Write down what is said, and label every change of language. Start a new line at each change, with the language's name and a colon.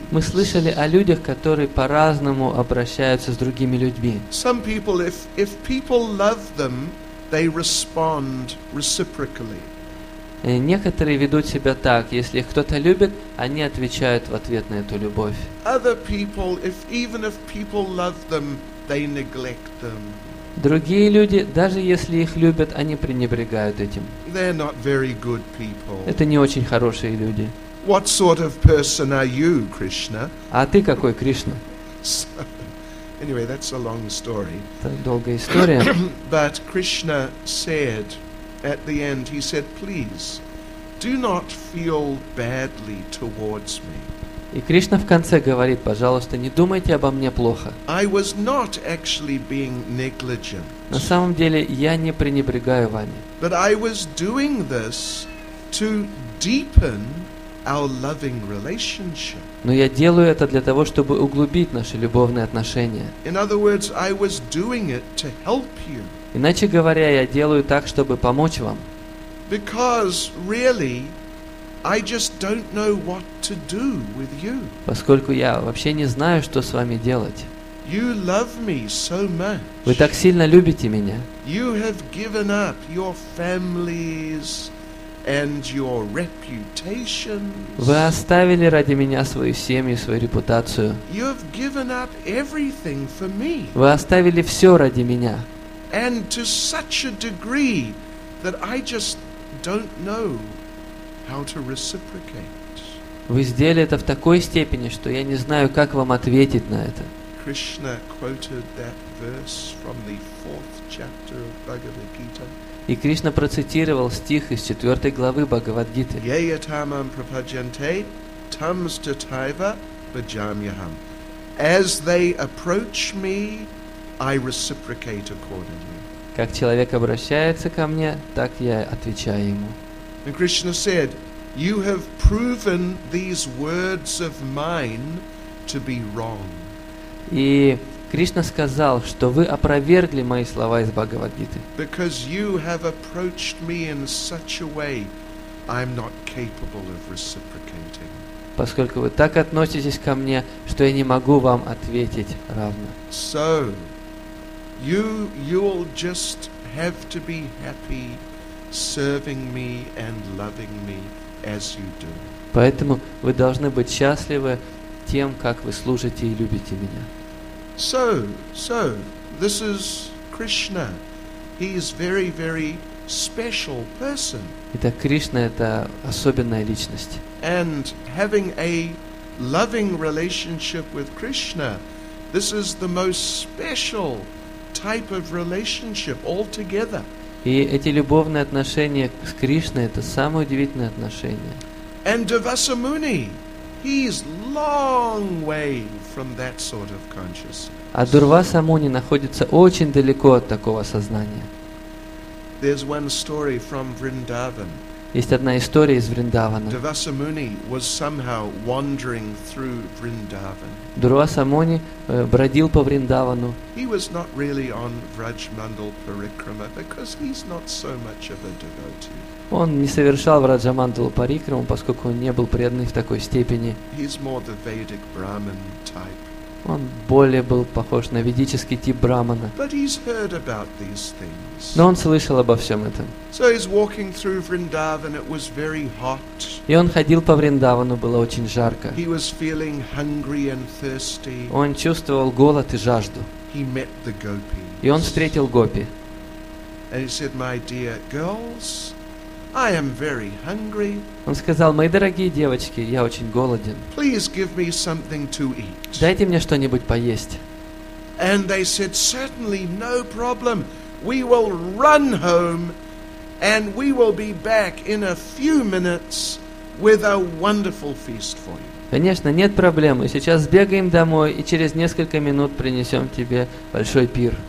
Russian: Мы слышали о людях, которые по-разному обращаются с другими людьми.
English: Some people, if people love them, they respond reciprocally.
Russian: Некоторые ведут себя так: если их кто-то любит, они отвечают в ответ на эту любовь.
English: Other people, even if people love them, they neglect them.
Russian: Другие люди, даже если их любят, они пренебрегают этим.
English: They're not very good people.
Russian: Это не очень хорошие люди.
English: What sort of person are you, Krishna?
Russian: А ты какой, Кришна?
English: Anyway, that's a long story.
Russian: Это долгая история.
English: But Krishna said at the end, he said, please, do not feel badly towards me.
Russian: И Кришна в конце говорит: пожалуйста, не думайте обо мне плохо.
English: I was not actually being negligent.
Russian: На самом деле, я не пренебрегаю вами.
English: But I was doing this to deepen our loving relationship.
Russian: Но я делаю это для того, чтобы углубить наши любовные отношения.
English: In other words, I was doing it to help you.
Russian: Иначе говоря, я делаю так, чтобы помочь вам.
English: Because really, I just don't know what to do with you.
Russian: Поскольку я вообще не знаю, что с вами делать.
English: You love me so much.
Russian: Вы так сильно любите меня.
English: You have given up your families and your reputations.
Russian: Вы оставили ради меня свою семью, свою репутацию.
English: You have given up everything for me.
Russian: Вы оставили все ради меня.
English: And to such a degree that I just don't know how to reciprocate.
Russian: Вы сделали это в такой степени, что я не знаю, как вам ответить на это.
English: Krishna quoted that verse from the fourth chapter of Bhagavad Gita.
Russian: И Кришна процитировал стих из четвертой главы Бхагавад-гиты.
Sanskrit: Yayatamam prapajante tamstataiva bhajamyaham.
English: As they approach me, I reciprocate accordingly.
Russian: Как человек обращается ко мне, так я отвечаю ему.
English: And Krishna said, "You have proven these words of mine to be wrong."
Russian: И Кришна сказал, что вы опровергли мои слова из Бхагавад-гиты.
English: Because you have approached me in such a way, I'm not capable of reciprocating.
Russian: Поскольку вы так относитесь ко мне, что я не могу вам ответить равно.
English: So, you'll just have to be happy serving me and loving me as you do.
Russian: Поэтому вы должны быть счастливы тем, как вы служите и любите меня.
English: So this is Krishna. He is very, very special person.
Russian: Итак, Кришна — это особенная личность.
English: And having a loving relationship with Krishna, this is the most special type of relationship altogether.
Russian: И эти любовные отношения с Кришной — это самые удивительные отношения.
English: And Devasamuni, he is long way from that sort of consciousness.
Russian: А Дурвасамуни находится очень далеко от такого сознания.
English: There's one story from Vrindavan.
Russian: Есть одна история из Вриндавана.
English: Devasamuni was somehow wandering through Vrindavan.
Russian: Дурвасамуни бродил по Вриндавану.
English: He was not really on Vrajmandal Parikrama because he's not so much of a devotee.
Russian: Он не совершал Враджамандалу Парикраму, поскольку он не был преданный в такой степени.
English: He's more the Vedic Brahman type.
Russian: Он более был похож на ведический тип брахмана.
English: But he's heard about these things.
Russian: Но он слышал обо всем этом.
English: So he's walking through Vrindavan, it was very hot.
Russian: И он ходил по Вриндавану, было очень жарко.
English: He was feeling hungry and thirsty.
Russian: Он чувствовал голод и жажду.
English: He met the gopis.
Russian: И он встретил гопи.
English: And he said, "My dear girls, I am very hungry."
Russian: Он сказал: "Мои дорогие девочки, я очень голоден.
English: Please give me something to eat."
Russian: Дайте мне что-нибудь поесть.
English: And they said, "Certainly, no problem. We will run home, and we will be back in a few minutes with a wonderful feast for you."
Russian: Конечно, нет проблем. Сейчас сбегаем домой и через несколько минут принесем тебе большой пир.